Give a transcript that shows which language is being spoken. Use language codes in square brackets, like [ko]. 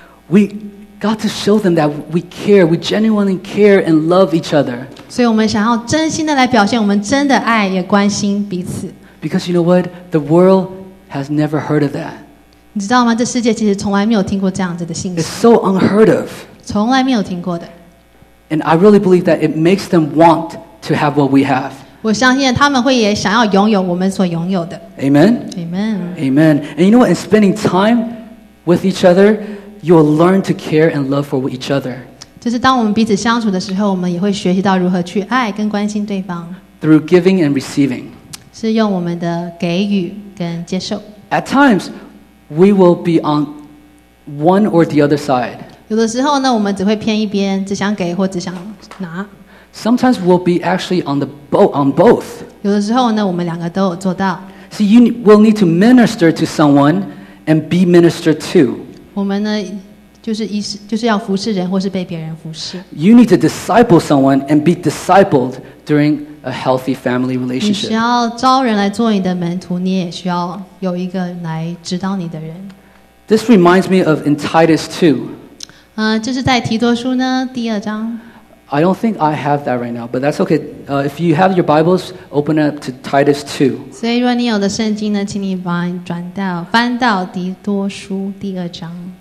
[en] We got to show them that we care, we genuinely care and love each other. [zh] 所以我们想要真心的来表现我们真的爱也关心彼此。 [en] Because you know what? The world has never heard of that. [zh] 你知道吗？这世界其实从来没有听过这样子的信息。 [en] It's so unheard of. [zh] 从来没有听过的。 [en] And I really believe that it makes them want to have what we have. [zh] 我相信他们会也想要拥有我们所拥有的。 [en] Amen? Amen. Amen. And you know what? In spending time with each other, you will learn to care and love for each other. [zh] 就是当我们彼此相处的时候，我们也会学习到如何去爱跟关心对方。 [en] Through giving and receiving. [zh] 是用我们的给予跟接受。 [en] At times, we will be on one or the other side. [zh] 有的时候呢，我们只会偏一边，只想给或只想拿。 [en] Sometimes we'll be actually on both. [zh] 有的时候呢，我们两个都有做到。 [en] See, you will need to minister to someone and be ministered to. [zh] 我们呢就是要服侍人或是被别人服侍。 [en] You need to disciple someone and be discipled during a healthy family relationship. [zh] 你需要招人来做你的门徒，你也需要有一个来指导你的人。 [en] This reminds me of in Titus 2. [zh] 就是在提多书呢，第二章。 [en] I don't think I have that right now, but that's okay. If you have your Bibles, open up to Titus 2. [zh] 所以如果你有的圣经呢，请你把你转到，翻到提多书第二章。